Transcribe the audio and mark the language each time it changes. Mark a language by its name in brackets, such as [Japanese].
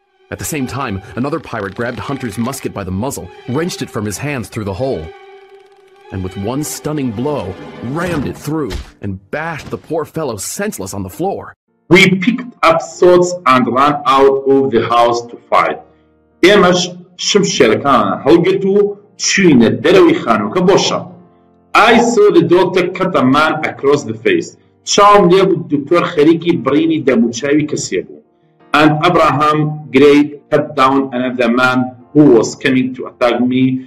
[English] At the same time, another pirate grabbed Hunter's musket by the muzzle, wrenched it from his hands through the hole, and with one stunning blow, rammed it through and bashed the poor fellow senseless on the floor. We picked up swords and ran out of the house to fight. [Central Kurdish] ئێمەش شمشێرەکان هەڵگرتو چووینە دەرەوەی خانووەکە بۆ شەڕ. [English] I saw the doctor cut a man across the face. [Central Kurdish] چاوم لێ بوو دکتۆر خەریکی بڕینی دەموچاوی کەسێ بوو. [English] And Abraham Gray cut down another man who was coming to attack me.